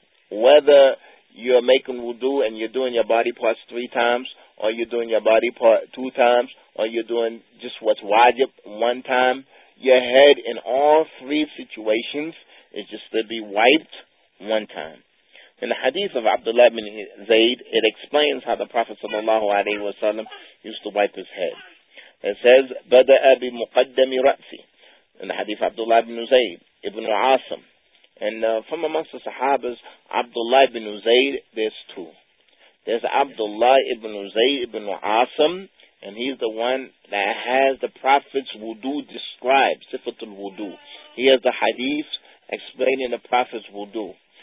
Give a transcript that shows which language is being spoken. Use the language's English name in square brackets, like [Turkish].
[English] Whether you're making wudu and you're doing your body parts three times, or you're doing your body part two times, or you're doing just what's wajib one time, your head in all three situations is just to be wiped one time. In the hadith of Abdullah ibn Zayd, it explains how the Prophet sallallahu alayhi wa sallam used to wipe his head. It says, [Arabic] بَدَأَ بِمُقَدَّمِ رَأْسِ. [English] In the hadith of Abdullah ibn Zayd, ibn Asim. And from amongst the Sahabas, Abdullah ibn Zayd, there's two. There's Abdullah ibn Zayd ibn Asim, and he's the one that has the Prophet's wudu described, Sifatul Wudu. He has the hadith explaining the Prophet's wudu.